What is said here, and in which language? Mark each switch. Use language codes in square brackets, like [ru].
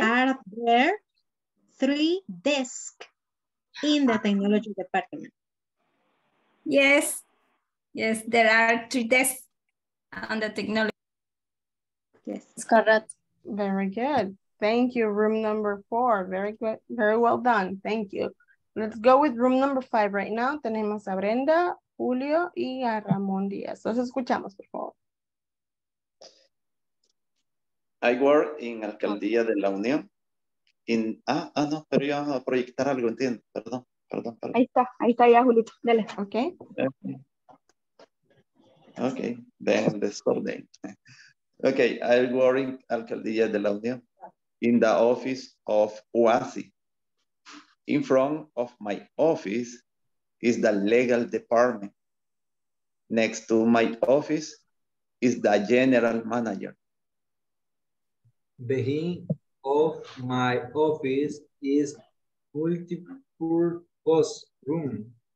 [en] Are there three desks in the technology department? Yes. Yes, there are three desks on the technology. Yes. It's correct. Very good. Thank you, room number four. Very good. Very well done. Thank you. Let's go with room number five right now. [es] Tenemos a Brenda, Julio, y a Ramón Díaz. Los escuchamos, por favor. [en] I work in Alcaldía de la Unión. [es] No, pero yo voy a proyectar algo, entiendo. Perdón, perdón, perdón. Ahí está ya, Julito. Dale. Ok. [en] Ok, then let's go then. Ok, I work in Alcaldía de la Unión. In the office of UASI. In front of my office is the legal department. Next to my office is the general manager. Behind of my office is multi-purpose room.